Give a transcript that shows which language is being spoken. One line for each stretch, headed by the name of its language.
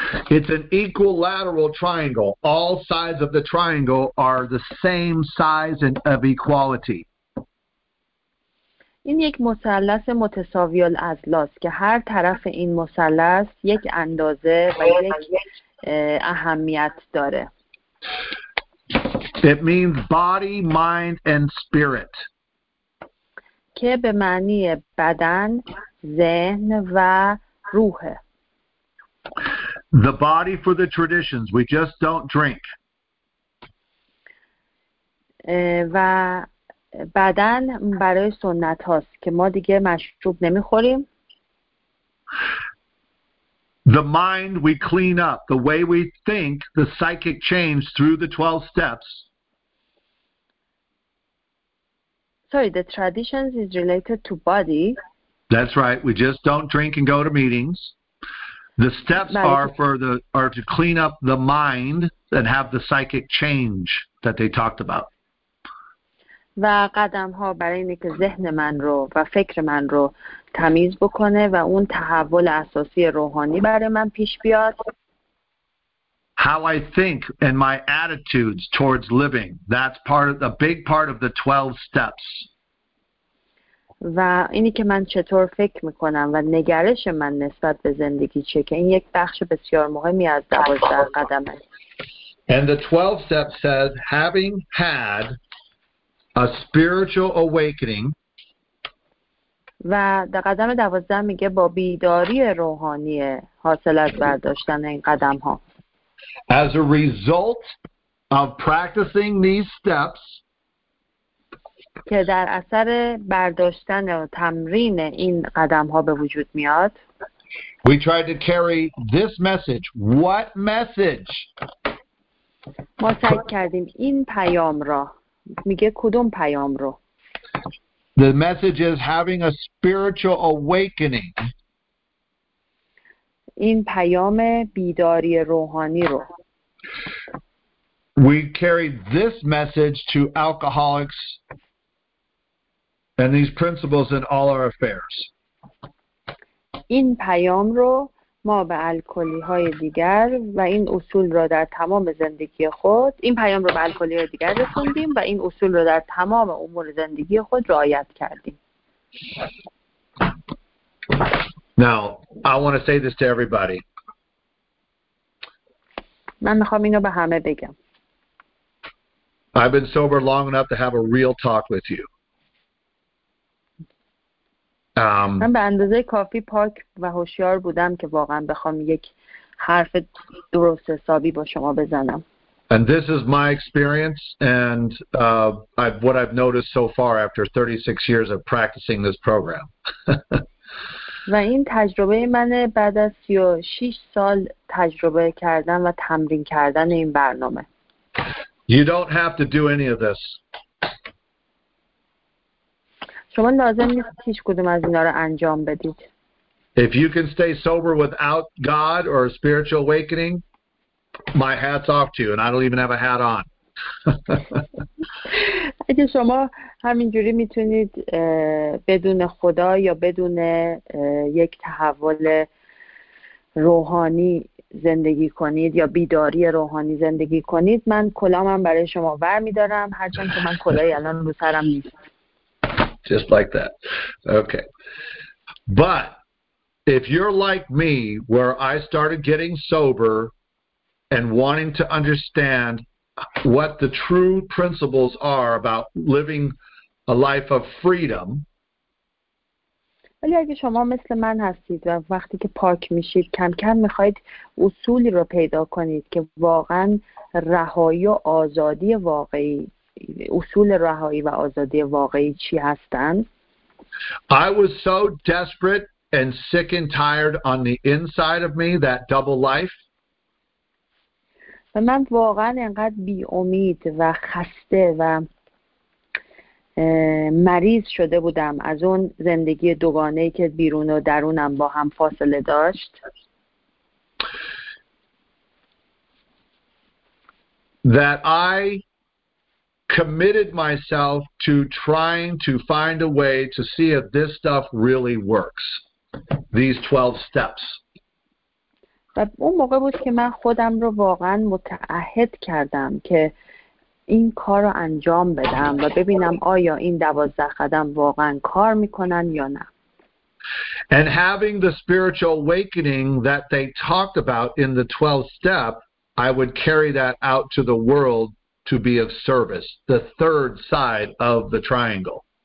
English: It's an equilateral triangle. All sides of the triangle are the same size and of equality.
Persian: این یک مثلث متساوی الاضلاع است که هر طرف این مثلث یک اندازه و یک اهمیت داره.
English: It means body, mind, and spirit.
Persian: که به معنی بدن، ذهن و روح.
English: The body for the traditions. We just don't drink.
Persian: و بدن برای سنت هاست که ما دیگه مشروب نمی خوریم.
English: The mind we clean up. The way we think, the psychic change through the 12 steps. Sorry, the traditions is related to body. That's right. We just don't drink and go to meetings. The steps are to clean up the mind and have the psychic change that they talked about.
Persian: و قدم ها برای اینکه ذهن من رو و فکر من رو تمیز بکنه و اون تحول اساسی روحانی برای من پیش بیاد.
English: How I think and my attitudes towards living, that's part of the big part of the 12 steps.
Persian: و اینی که من چطور فکر میکنم و نگرش من نسبت به زندگی چه، که این یک بخش بسیار مهمی از 12 قدمه.
English: And the 12 steps says, having had a spiritual awakening.
Persian: و در قدم 12 میگه با بیداری روحانی حاصل از برداشتن این قدم ها.
English: As a result of practicing these steps,
Persian: که در اثر برداشتن و تمرین این قدم ها به وجود میاد.
English: We tried to carry this message. What message?
Persian: ما سعی کردیم این پیام را. میگه کدوم پیام رو؟
English: The message is having a spiritual awakening.
Persian: این پیام بیداری روحانی رو.
English: We carried this message to alcoholics and these principles in all our affairs.
Persian: این پیام رو ما به الکلی های دیگر و این اصول رو در تمام زندگی خود این پیام رو به الکلی های دیگر رسوندیم و این اصول رو در تمام امور زندگی خود رعایت کردیم.
English: Now, I want to say this to everybody.
Persian: من میخوام اینو به همه بگم.
English: I've been sober long enough to have a real talk with you.
Persian: من به اندازه کافی پاک و هوشیار بودم که واقعا بخوام یک حرف درست حسابی با شما بزنم.
English: And this is my experience and what I've noticed so far after 36 years of practicing this program.
Persian: و این تجربه منه بعد از 36 سال تجربه کردن و تمرین کردن این برنامه.
English: You don't have to do any of this.
Persian: شما لازم نیست هیچ کدوم از اینا رو انجام بدید.
English: If you can stay sober without God or a spiritual awakening, my hat's off to you and I don't even have a hat on.
Persian: اگه شما همینجوری میتونید بدون خدا یا بدون یک تحول روحانی زندگی کنید یا بیداری روحانی زندگی کنید من کلامم برای شما ور میدارم هرچند که من کلاهی الان رو سرم نیست.
English: Just like that. Okay. But if you're like me where I started getting sober and wanting to understand what the true principles are about living a life of freedom.
Persian: ولی اگه شما مثل من هستید و وقتی که پاک میشید کم کم میخواید اصولی رو پیدا کنید که واقعا رهایی و آزادی واقعی اصول رهایی و آزادی واقعی چی هستن.
English: I was so desperate and sick and tired on the inside of me, that double life.
Persian: و من واقعا انقدر بی امید و خسته و مریض شده بودم از اون زندگی دوگانه‌ای که بیرون و درونم با هم فاصله داشت.
English: That I committed myself to trying to find a way to see if this stuff really works. These 12 steps.
Persian: و اون موقع بود که من خودم رو واقعا متعهد کردم که این کار رو انجام بدم و ببینم آیا این 12 قدم واقعا کار میکنن یا نه.
English: And having the spiritual awakening that they talked about in the 12th step, I would carry that out to the world to be of service, the third side of the triangle.